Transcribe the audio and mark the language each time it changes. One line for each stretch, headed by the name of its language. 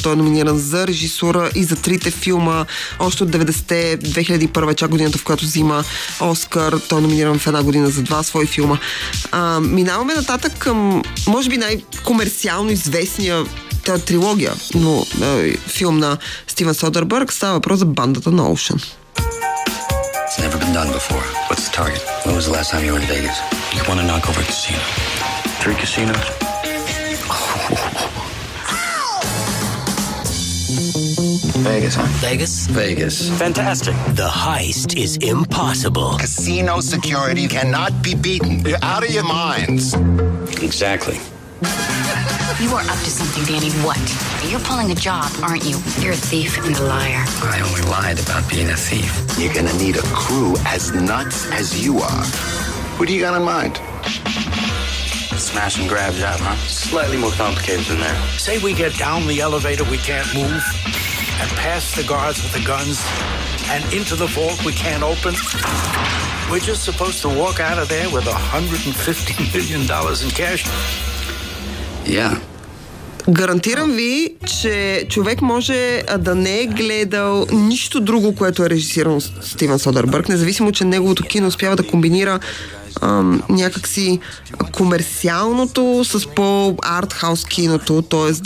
Bulgarian: Той е номиниран за режисура и за трите филма още от 90-те, 2001-а, чак годината, в която взима Оскар. Той е номиниран в една година за два свои филма. Минаваме нататък към, може би, най-комерциално известния трилогия, но филм на Стивен Содърбърг. Става въпрос за Бандата на Оушен.
English: It's never been done before. What's the target? When was the last time you were in Vegas? You want to knock over a casino. Three casinos? Vegas, huh? Vegas? Vegas. Fantastic. The heist is impossible. Casino security cannot be beaten. You're out of your minds. Exactly. You are up to something, Danny. What? You're pulling a job, aren't you? You're a thief and a liar. I only lied about being a thief. You're gonna need a crew as nuts as you are. Who do you got in mind? Smash and grab job, huh? Slightly more complicated than that. Say we get down the elevator we can't move, and past the guards with the guns, and into the vault we can't open. We're just supposed to walk out of there with $150 million in cash. Yeah.
Bulgarian: Гарантирам ви, че човек може да не е гледал нищо друго, което е режисирано от Стивен Содърбърг, независимо, че неговото кино успява да комбинира някакси комерциалното с по-артхаус киното, т.е.